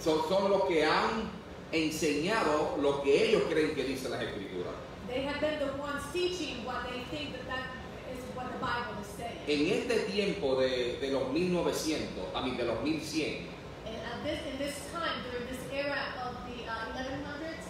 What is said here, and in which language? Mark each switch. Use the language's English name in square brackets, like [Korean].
[Spanish] So, son los que han enseñado lo que ellos creen que dice las escrituras. [English] They have been the ones teaching what they think that is what the Bible is saying. [Spanish] En este tiempo de los 1900, [English] I mean [Spanish] de los 1100. [English] In this time, during this era of the 1100s.